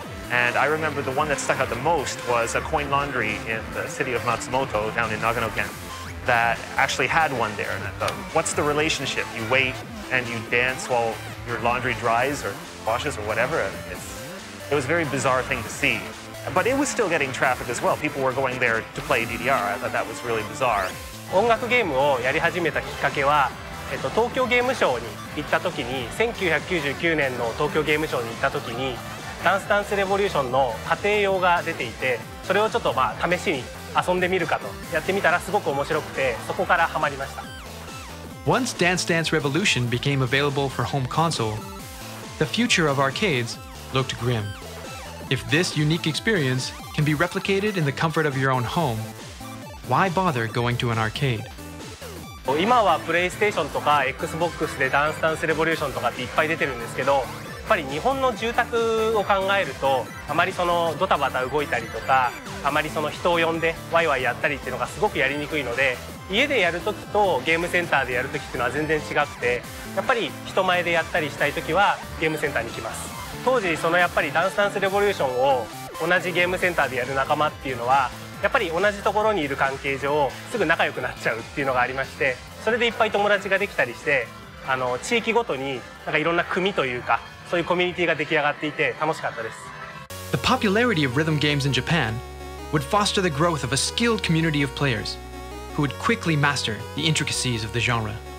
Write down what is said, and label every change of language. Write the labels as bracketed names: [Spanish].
[English] And I remember the one that stuck out the most was a coin laundry in the city of Matsumoto down in Nagano-ken that actually had one there. And I thought, what's the relationship? You wait and you dance while your laundry dries or washes or whatever. It was a very bizarre thing to see. But it was still getting traffic as well. People were going there to play DDR. I thought that was really bizarre. [Japanese] 音楽ゲームをやり始めたきっかけは、東京ゲームショーに行った時に、1999年の東京ゲームショーに行った時にダンスダンスレボリューションの家庭用が出ていて、それをちょっとまあ試しに遊んでみるかとやってみたらすごく面白くて、そこからハマりました。 [English] Once Dance Dance Revolution became available for home console, the future of arcades looked grim. If this unique experience can be replicated in the comfort of your own homeWhy bother going to an arcade? [Japanese] 今はプレイステーションとか Xbox でダンスダンスレボリューションとかっていっぱい出てるんですけど、やっぱり日本の住宅を考えると、あまりそのドタバタ動いたりとか、あまりその人を呼んでワイワイやったりっていうのがすごくやりにくいので、家でやるときとゲームセンターでやるときっていうのは全然違って、やっぱり人前でやったりしたいときはゲームセンターに来ます。当時そのやっぱりダンスダンスレボリューションを同じゲームセンターでやる仲間っていうのはやっぱり同じところにいる関係上すぐ仲良くなっちゃうっていうのがありまして、それでいっぱい友達ができたりして、あの地域ごとになんかいろんな組というかそういうコミュニティが出来上がっていて楽しかったです。 [English] The popularity of rhythm games in Japan would foster the growth of a skilled community of players who would quickly master the intricacies of the genre。